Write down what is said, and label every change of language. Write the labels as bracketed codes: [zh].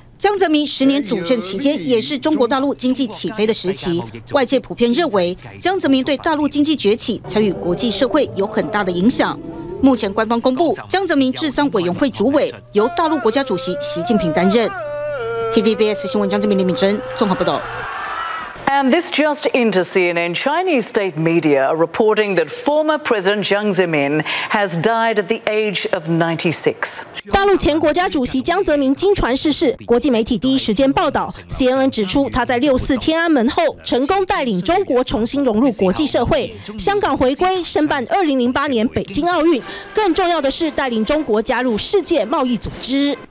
[zh] 江泽民10年主政期间，也是中国大陆经济起飞的时期。外界普遍认为，江泽民对大陆经济崛起、参与国际社会有很大的影响。目前官方公布，江泽民治丧委员会主委由大陆国家主席习近平担任。 TVBS 新闻，江泽民、李敏珍综合报道。 [en] And this just into CNN, Chinese state media are reporting that former President Jiang Zemin has died at the age of 96. [zh] 大陆前国家主席江泽民经传逝世，国际媒体第一时间报道。 CNN 指出，他在64天安门后成功带领中国重新融入国际社会，香港回归，申办2008年北京奥运，更重要的是带领中国加入世界贸易组织。